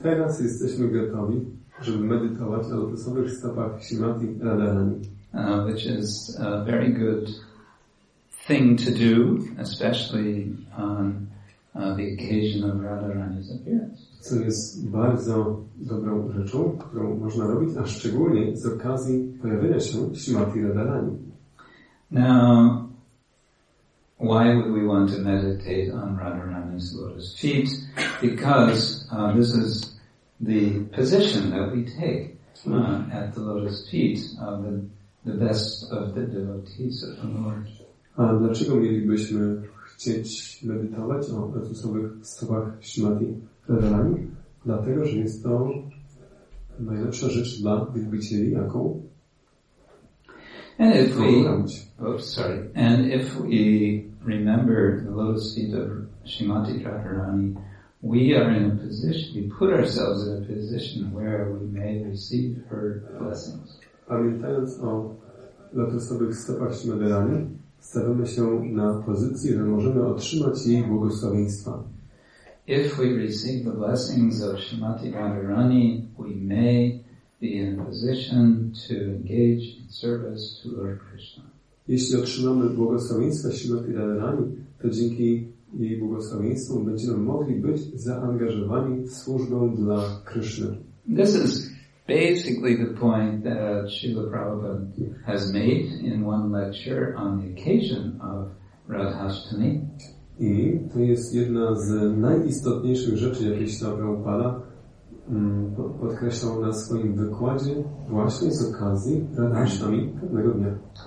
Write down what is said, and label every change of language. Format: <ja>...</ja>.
<pl>Teraz jesteśmy gotowi, żeby medytować na lotusowych stopach Srimati Radharani.</pl> <en>Which is a very good thing to do, especially on the occasion of Radharani's appearance. Co jest bardzo dobrą rzeczą, którą można robić, a szczególnie z okazji pojawienia się Śrimati Radharani. Now, why would we want to meditate on Radharani's lotus feet? Because this is the position that we take at the lotus feet of the best of the devotees of the Lord.</en> <pl>A dlaczego mielibyśmy chcieć medytować o lotusowych stopach Śrimati Radharani? Dlatego, że jest to najlepsza rzecz dla wielbicieli, jaką?</pl> <en>And if we, and if we remember the lotus feet of Śrimati Radharani, we are in a position, we put ourselves in a position where we may receive her blessings.</en> <pl>Pamiętając o lotusowych stopach Śrimati Radharani, stawiamy się na pozycji, że możemy otrzymać jej błogosławieństwa.</pl> <en>If we receive the blessings of Srimati Radharani, we may be in a position to engage in service to Lord Krishna.</en> <pl>Jeśli otrzymamy błogosławieństwa Srimati Radharani, to dzięki jej błogosławieństwu będziemy mogli być zaangażowani w służbę dla Krishna.</pl> <en>This is basically the point that Srila Prabhupada has made in one lecture on the occasion of Radhashtami.</en> <pl>I to jest jedna z najistotniejszych rzeczy, jakie Srila Prabhupada podkreślał na swoim wykładzie właśnie z okazji Radhashtami pewnego dnia.</pl>